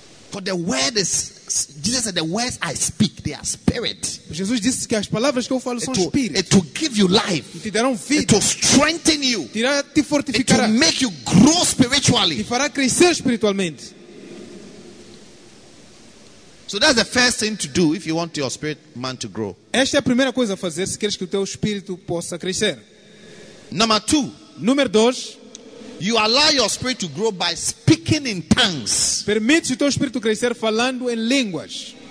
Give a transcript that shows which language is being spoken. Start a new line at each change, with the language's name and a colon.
English: For the word is, Jesus said, the words I speak, they are spirit.
Portuguese: Jesus disse que as palavras que eu falo são espírito.
English: It will give you life.
Portuguese: E te darão vida.
English: It will strengthen you.
Portuguese: Te fortificará.
English: It will make you grow spiritually.
Portuguese: Te fará crescer espiritualmente.
English: So that's the first thing to do if you want your spirit man to grow.
Portuguese: Esta é a primeira coisa a fazer se queres que o teu espírito possa crescer.
English: Number two.
Portuguese: Número dois.
English: You allow your spirit to grow by speaking in tongues.
Portuguese: Permite o teu espírito crescer falando em línguas.